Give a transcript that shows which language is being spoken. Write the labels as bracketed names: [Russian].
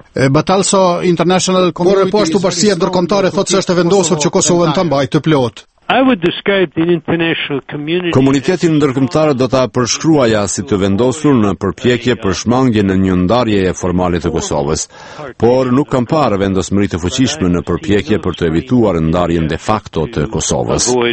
[English] But also international community. [Albanian] Por ashtu bashkia ndërkombëtare thotë se është vendosur që Kosova ta mbajë të plotë. [English] I would describe the international community. [Albanian] Komuniteti ndërkombëtar do ta përshkruaja si të vendosur në përpjekje për shmangje në një ndarje e formale të Kosovës, por nuk kam parë vendosmëri të fuqishme në përpjekje për të evituar ndarjen de facto të Kosovës.